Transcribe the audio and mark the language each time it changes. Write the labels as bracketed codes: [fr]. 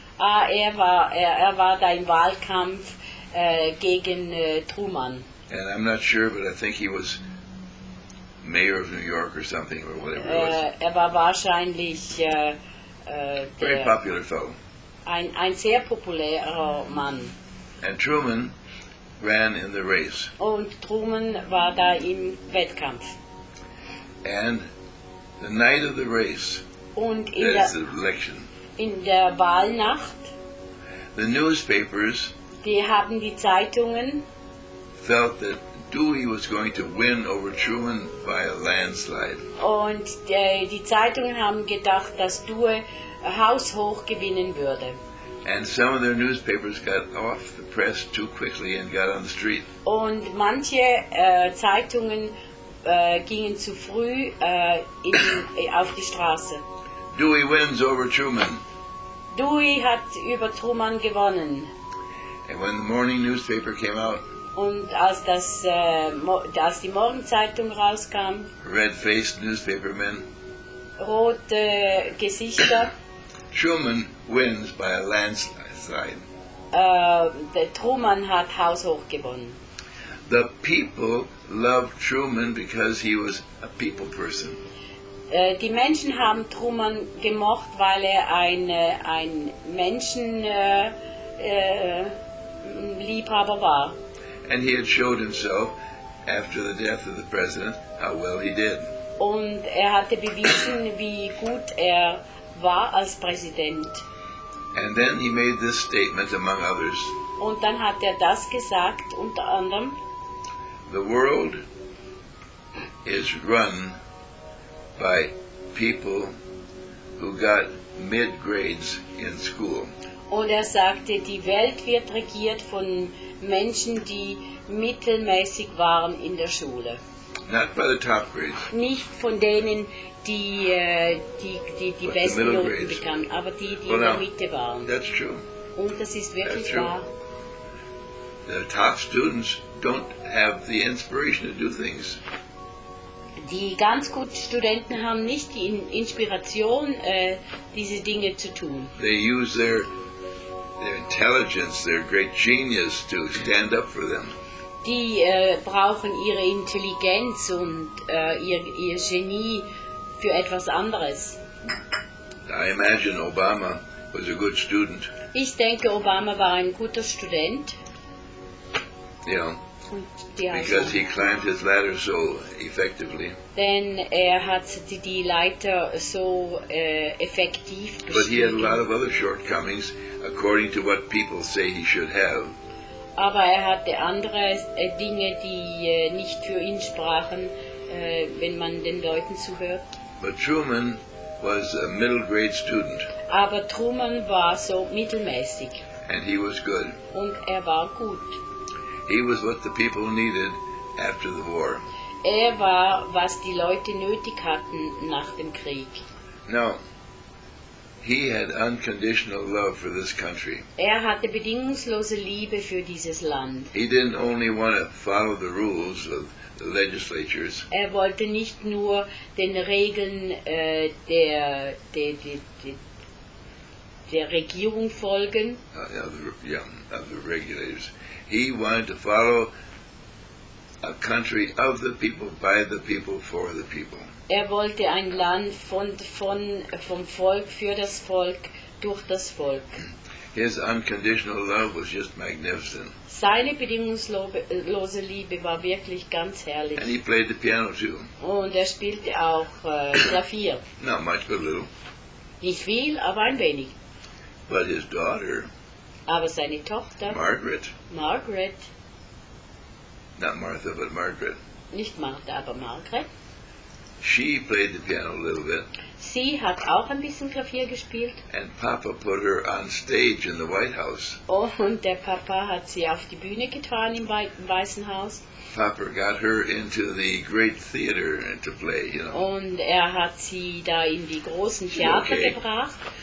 [de] Ah, er war da im Wahlkampf gegen Truman. [en] And I'm not sure, but I think he was mayor of New York or something, or whatever it was. [de] Er war wahrscheinlich [en] very popular fellow. [de] Ein sehr populärer Mann. [en] And Truman ran in the race. [de] Und Truman war da im Wettkampf. [en] And the night of the race, [de] und in [en] that is the election. [de] In der Wahlnacht, [en] the newspapers, [de] die haben die Zeitungen, [en] felt that Dewey was going to win over Truman by a landslide. [de] Und die Zeitungen haben gedacht, dass Dewey haushoch gewinnen würde. [en] And some of their newspapers got off the press too quickly and got on the street. [de] Und manche Zeitungen gingen zu früh auf die Straße. [en] Dewey wins over Truman. [de] Dewey hat über Truman gewonnen. [en] And when the morning newspaper came out, [de] und als das als die Morgenzeitung rauskam, [en] red-faced newspapermen, [de] rote Gesichter. [en] Truman wins by a landslide. [de] Truman hat haushoch gewonnen. [en] The people loved Truman because he was a people person. [de] Die Menschen haben Truman gemocht, weil er ein Menschenliebhaber war. [en] And he had showed himself after the death of the president how well he did. [de] Und er hatte bewiesen, wie gut er war als Präsident. [en] And then he made this statement among others. [de] Und dann hat das gesagt, unter anderem. [en] The world is run by people who got mid grades in school. [de] Und sagte, die Welt wird regiert von Menschen, die mittelmäßig waren in der Schule. [en] Not by the top grades. [de] Nicht von denen, die besten Noten bekamen, aber die [en] well, [de] in der Mitte waren. [en] That's true. [de] Und das ist wirklich wahr. [en] The top students don't have the inspiration to do things. [de] Die ganz guten Studenten haben nicht die Inspiration, diese Dinge zu tun. [en] They use their intelligence, their great genius to stand up for them. [de] Die brauchen ihre Intelligenz und ihr Genie für etwas anderes. [en] I imagine Obama was a good student. [de] Ich denke, Obama war ein guter Student. [en] You know, because he climbed his ladder so effectively. [de] Denn hat die Leiter so effektiv bestiegen. [en] But he had a lot of other shortcomings according to what people say he should have. [de] Aber hatte andere Dinge, die nicht für ihn sprachen, wenn man den Leuten zuhört. [en] But Truman was a middle grade student. [de] Aber Truman war so mittelmäßig. [en] And he was good. [de] Und war gut. [en] He was what the people needed after the war. [de] War, was die Leute nötig hatten nach dem Krieg. [en] Now, He had unconditional love for this country. [de] Er hatte bedingungslose Liebe für dieses Land. [en] He didn't only want to follow the rules of the legislatures. [de] Er wollte nicht nur den Regeln der Regierung folgen. [en] Of the regulators. He wanted to follow a country of the people, by the people, for the people. [de] Er wollte ein Land vom Volk, für das Volk, durch das Volk. [en] His unconditional love was just magnificent. [de] Seine bedingungslose Liebe war wirklich ganz herrlich. [en] And he played the piano too. [de] Und er spielte auch Klavier. [en] Not much, but a little. [de] Nicht viel, aber ein wenig. [en] But his daughter, [de] aber seine Tochter, [en] Margaret, not Martha, but Margaret. [de] Nicht Martha, aber Margaret. [en] She played the piano a little bit. [de] Sie hat auch ein bisschen Klavier gespielt. [en] And Papa put her on stage in the White House. [de] Oh, und der Papa hat sie auf die Bühne getan im Weißen Haus. [en] Papa got her into the great theater to play, you know. [de] Und er hat sie da in die großen Theater gebracht.